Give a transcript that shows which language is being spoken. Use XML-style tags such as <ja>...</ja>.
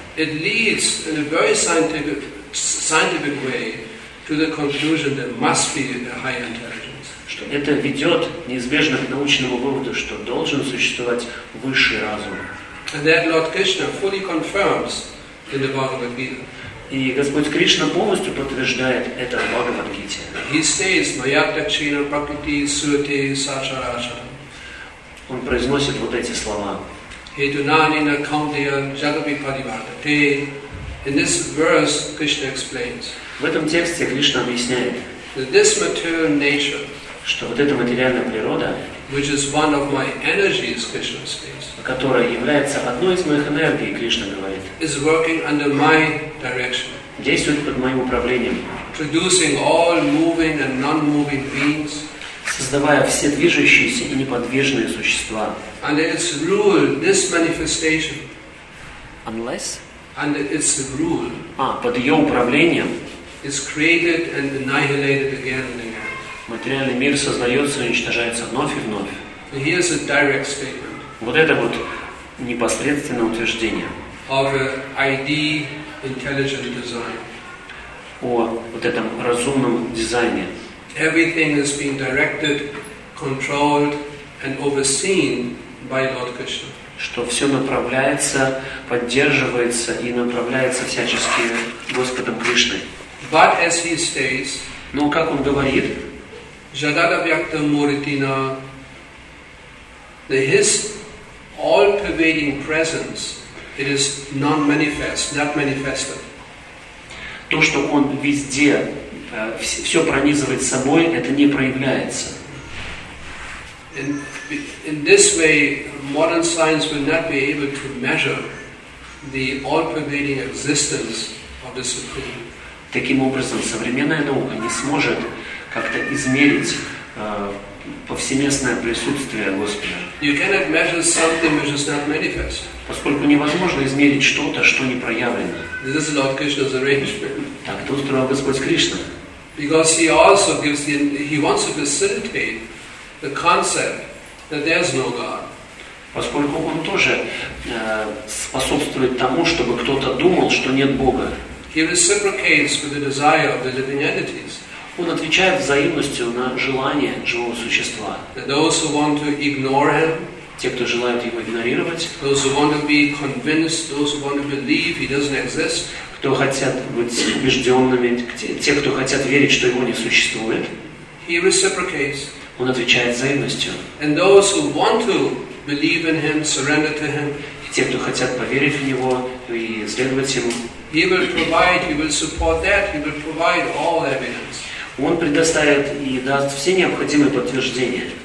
<en>It leads in a very scientific way to the conclusion that must be a higher intelligence.</en> <ru>Это ведет неизбежно к научному выводу, что должен существовать высший разум.</ru> <en>And that Lord Krishna fully confirms in the Bhagavad Gita.</en> <ru>И Господь Кришна полностью подтверждает это в Бхагавад-гите.</ru> <en>He says, "Mayata chira prakriti suete sacharacha."</en> <ru>Он произносит вот эти слова. He do nani na kaunteya jagavi parivartate.</ru> <en>In this verse, Krishna explains.</en> <ru>В этом тексте Кришна объясняет.</ru> <en>That this material nature,</en> <ru>что вот эта материальная природа,</ru> <en>which is one of my energies, Krishna says,</en> <ru>которая является одной из моих энергий, Кришна говорит,</ru> <en>is working under my direction,</en> <ru>действует под моим управлением,</ru> <en>producing all moving and non-moving beings,</en> <ru>создавая все движущиеся и неподвижные существа.</ru> <en>Under its rule, this manifestation, unless, under its rule,</en> <ru>под ее управлением,</ru> <en>is created and annihilated again.</en> <ru>Материальный мир создается и уничтожается вновь и вновь.</ru> <en>Here's a direct statement.</en> <ru>Вот это вот непосредственное утверждение.</ru> <en>Of an idea, intelligent design.</en> <ru>О вот этом разумном дизайне.</ru> <en>Everything is being directed, controlled, and overseen by Lord Krishna.</en> <ru>Что все направляется, поддерживается и направляется всячески Господом Кришной.</ru> <en>But as he states,</en> <ru>но как он говорит,</ru> <en>Jagat Vyakta Muritina, the His all-pervading presence, it is non-manifest, not manifested.</en> <ru>То, что Он везде, все пронизывает собой, это не проявляется.</ru> <en>In this way, modern science will not be able to measure the all-pervading existence of the Supreme.</en> <ru>Таким образом, современная наука не сможет как-то измерить повсеместное присутствие Господа.</ru> <en>You cannot measure something which is not manifest.</en> <ru>Поскольку невозможно измерить что-то, что не проявлено.</ru> <en>This is Lord Krishna's arrangement.</en> <ru>Так это устроил Господь Кришна.</ru> <en>Because he also gives the, he wants to facilitate the concept that there's no God.</en> <ru>Поскольку он тоже способствует тому, чтобы кто-то думал, что нет Бога.</ru> <en>He reciprocates with the desire of the living entities.</en> <ru>Он отвечает взаимностью на желание живого существа.</ru> <en>Those who want to ignore him,</en> <ru>те, кто желают его игнорировать,</ru> <en>those who want to be convinced, those who want to believe he doesn't exist,</en> <ru>кто хотят быть убежденными, те, кто хотят верить, что его не существует,</ru> <en>he reciprocates.</en> <ru>Он отвечает взаимностью.</ru> <en>And those who want to believe in him, surrender to him,</en> <ru>и те, кто хотят поверить в него и следовать ему,</ru> <en>he will provide, he will support that, he will provide all evidence.</en> <ru>Он предоставит и даст все необходимые подтверждения.</ru>